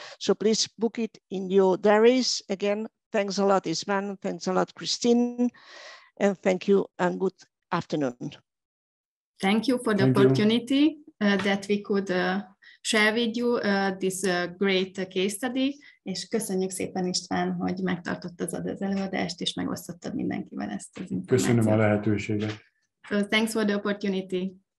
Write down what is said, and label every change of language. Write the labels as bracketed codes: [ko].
[en] So please book it in your diaries. Again, thanks a lot, István. Thanks a lot, Christine. And thank you and good afternoon. Thank you for the opportunity that we could share with you this great case study. [hu] És köszönjük szépen, István, hogy megtartottad az előadást, és megosztottad mindenkivel ezt az információt. Köszönöm a lehetőséget. [en] So thanks for the opportunity.